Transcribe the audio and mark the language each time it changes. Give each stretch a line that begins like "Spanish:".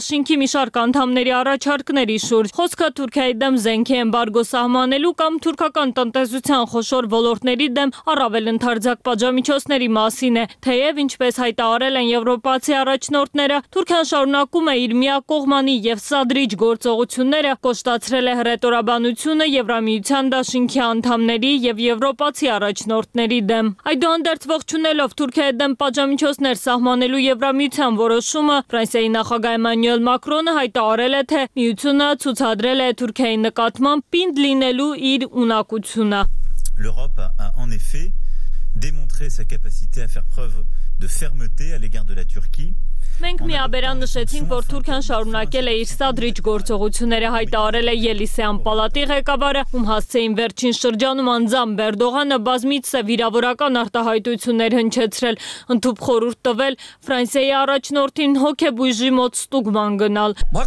Armenian: Արտաշինքի մի շարք անդամների առաջարկների շուրջ։ Խոսքը Թուրքիայի դեմ զենքի ըմբարգո սահմանելու կամ թուրքական տնտեսության խոշոր ոլորտների դեմ առավել ընդարձակ պատժամիջոցների մասին է, թեև ինչպես հայտարարել են եվրոպացի առաջնորդները, Թուրքիան շարունակում է իր միակողմանի և սադրիչ գործողությունները, կոշտացրել է հրետորաբանությունը Եվրամիության դաշինքի անդամների և եվրոպացի առաջնորդների դեմ։ Այդուհանդերձ, ողջունելով Թուրքիայի դեմ պատժամիջոցներ սահմանելու Եվրամիության որոշումը, Ֆրանսիայի նախագահ Էմանյուել Մակրոնը հայտարարել է, թե միությունը ցուցադրել է Թուրքիայի նկատմամբ պինդ լինելու իր ունակությունը։
French: L'Europe a en effet démontré sa capacité à faire preuve de fermeté à l'égard de la Turquie.
Armenian: Մենք միաբերան նշեցինք, որ Թուրքիան շարունակել է իր սադրիչ գործողությունները, հայտարարել է Ելիսեան պալատի ղեկավարը, ում հասցեին վերջին շրջանում անձամբ Էրդողանը բազմից վիրավորական արտահայտություններ հնչեցրել, ընդհուպ խորհուրդ տվել Ֆրանսիայի առաջնորդին հոգեբույժի մոտ ստուգման գնալ.